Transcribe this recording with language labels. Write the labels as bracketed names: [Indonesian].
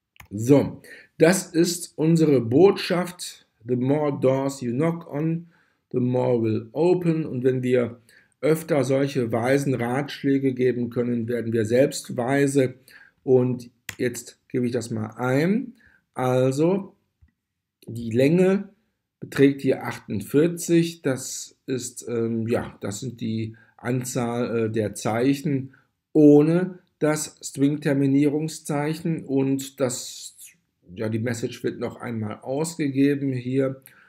[German] So, das ist unsere Botschaft. [English] The more doors you knock on, the more will open. [German] Und wenn wir öfter solche weisen Ratschläge geben können, werden wir selbst weise. Und jetzt gebe ich das mal ein. Also, die Länge beträgt hier 48. Das ist, ja, das sind die Anzahl der Zeichen ohne das String-Terminierungszeichen und das, ja, die Message wird noch einmal ausgegeben hier.